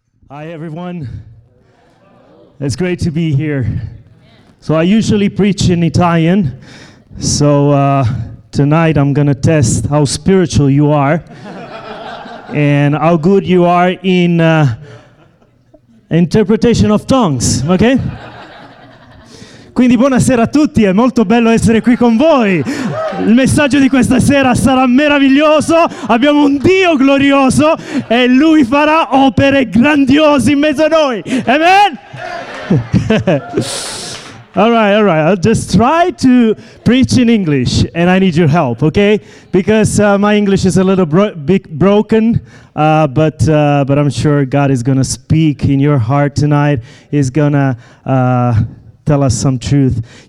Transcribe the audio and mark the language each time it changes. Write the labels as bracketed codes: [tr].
[en] Hi, everyone. It's great to be here. So I usually preach in Italian. So tonight I'm going to test how spiritual you are and how good you are in interpretation of tongues, okay? [it] Quindi buonasera a tutti, è molto bello essere qui con voi. Il messaggio di questa sera sarà meraviglioso. Abbiamo un Dio glorioso e lui farà opere grandiose in mezzo a noi. [en] Amen. All right. I'll just try to preach in English, and I need your help, okay? Because my English is a little broken, but I'm sure God is going to speak in your heart tonight. He's going to tell us some truth.